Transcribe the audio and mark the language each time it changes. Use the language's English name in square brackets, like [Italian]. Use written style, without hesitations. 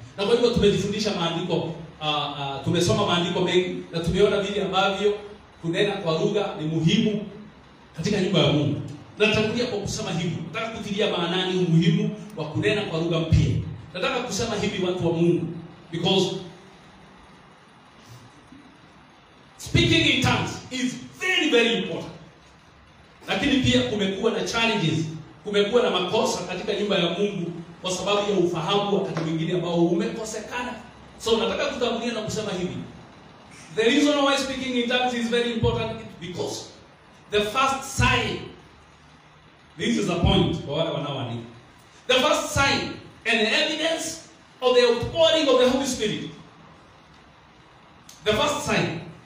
[Swahili] Na kwa hivyo tumejifundisha maandiko, tumesoma maandiko mengi, na tumeona vile ambavyo kunena kwa lugha ni muhimu katika nyumba ya Mungu. Natangulia kwa kusema hivi, nataka kutilia maanani umuhimu wa kunena kwa lugha mpya. Nataka kusema hivi, watu wa Mungu, because [English] Speaking in tongues is very, very important. [Swahili] Lakini pia kumekuwa na challenges, kumekuwa na makosa katika nyumba ya Mungu kwa sababu ya ufahamu wakati mwingine ambao umekosekana. So nataka kutangulia na kusema hivi. [English] The reason why speaking in tongues is very important is because the first sign, this is a point for [Swahili] wale wanaoandika, [English] the first sign and evidence of the outpouring of the Holy Spirit. The first sign.